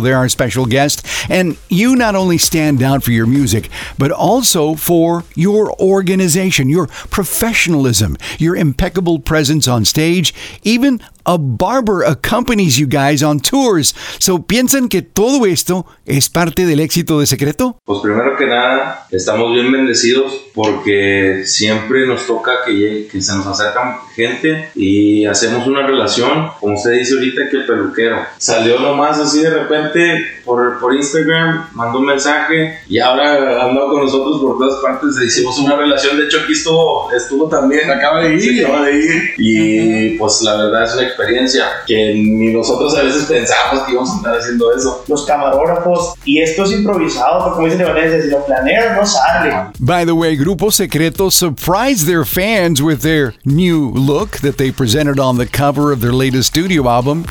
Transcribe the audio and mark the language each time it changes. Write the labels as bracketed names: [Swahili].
[English] They're our special guest, and you not only stand out for your music, but also for your organization, your professionalism, your impeccable presence on stage, even a barber accompanies you guys on tours. [Spanish] So, ¿piensan que todo esto es parte del éxito de Secreto? Pues primero que nada, estamos bien bendecidos porque siempre nos toca que se nos acerca gente y hacemos una relación, como usted dice ahorita, que el peluquero. Salió nomás así de repente por Instagram, mandó un mensaje y ahora andó con nosotros por todas partes. Hicimos una relación, de hecho aquí estuvo también. Se acaba de ir. Y pues la verdad es una experiencia que ni nosotros a veces pensábamos que íbamos a estar haciendo eso. Los camarógrafos, y esto es improvisado, porque como dicen los leones, si lo planeas no sale. [English] By the way, Grupo Secreto surprised their fans with their new look that they presented on the cover of their latest studio album.